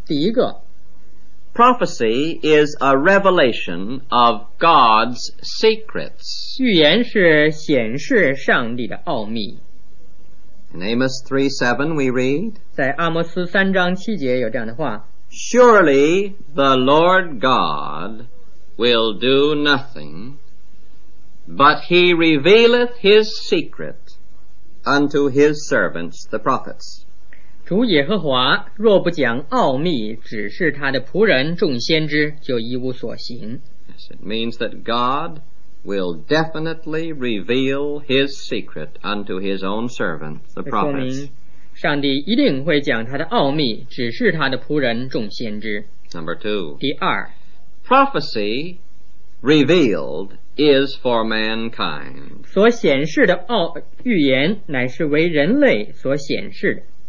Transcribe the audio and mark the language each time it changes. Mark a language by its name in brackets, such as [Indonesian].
[Chinese] 第一个。 [English] Prophecy is a revelation of God's secrets. [Chinese] 预言是显示上帝的奥秘。 [English] In Amos 3:7 we read, [Chinese] 在阿摩斯三章七节有这样的话。 [English] Surely the Lord God will do nothing, but he revealeth his secret unto his servants, the prophets. [Chinese] 主耶和华若不讲奥秘只是他的仆人众先知就一无所行 [English] yes, It means that God will definitely reveal his secret unto his own servant the prophets [Chinese] 上帝一定会讲他的奥秘只是他的仆人众先知 [English] Number two [Chinese] 第二 [English] Prophecy revealed is for mankind [Chinese] 所显示的奥预言乃是为人类所显示的